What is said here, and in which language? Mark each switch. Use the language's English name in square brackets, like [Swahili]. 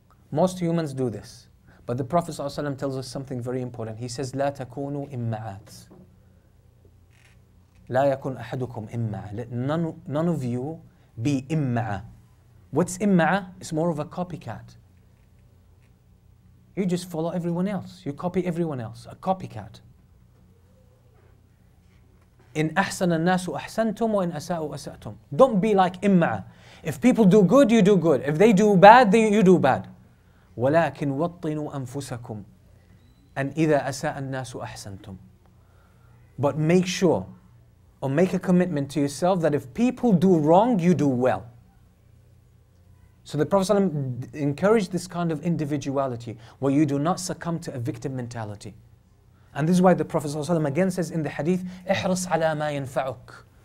[English] Most humans do this. But the Prophet ﷺ tells us something very important. He says, [Arabic] لا تكونوا إمعات. لا يكون أحدكم إمعا. [English] Let none of you be إمعا. What's إمعا? It's more of a copycat. You just follow everyone else. You copy everyone else. A copycat. [Arabic] إن أحسن الناس أحسنتم وإن أساءوا أسأتم. [English] Don't be like إمعا. If people do good, you do good. If they do bad, then you do bad. [Arabic] ولكن وطنوا أنفسكم أن إذا أساء الناس أحسنتم. [English] But make sure or make a commitment to yourself that if people do wrong, you do well. So the Prophet ﷺ encouraged this kind of individuality where you do not succumb to a victim mentality. And this is why the Prophet ﷺ again says in the hadith, [Arabic] احرص على ما ينفعك.